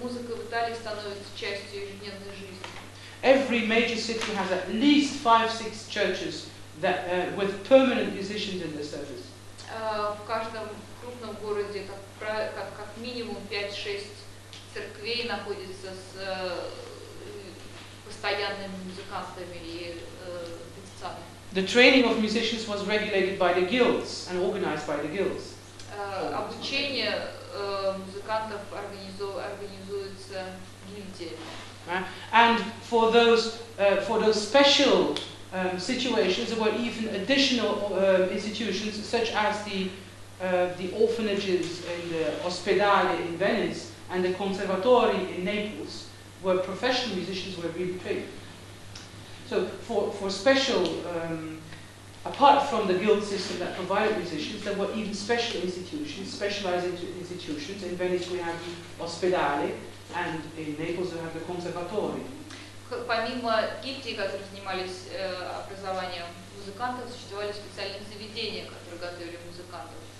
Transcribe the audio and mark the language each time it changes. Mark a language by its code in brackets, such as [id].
[ru] Музыка в Италии становится частью ежедневной жизни. [en] Every major city has at least 5-6 churches that with permanent musicians in the service. [ru] В каждом крупном городе как минимум 5-6 церквей находится с постоянными музыкантами и певцами. [en] The training of musicians was regulated by the guilds and organized by the guilds. [ru] Обучение музыкантов организуется гильдиями. [en] And for those special situations, there were even additional institutions such as the orphanages and the ospedale in Venice and the conservatori in Naples, where professional musicians were really paid. So for special, apart from the guild system that provided musicians, there were even special institutions, specialized institutions. In Venice we have the ospedale. And in Naples we have the conservatory. [ru] Помимо гильдии, которые занимались образованием музыкантов, существовали специальные заведения, которые готовили музыкантов.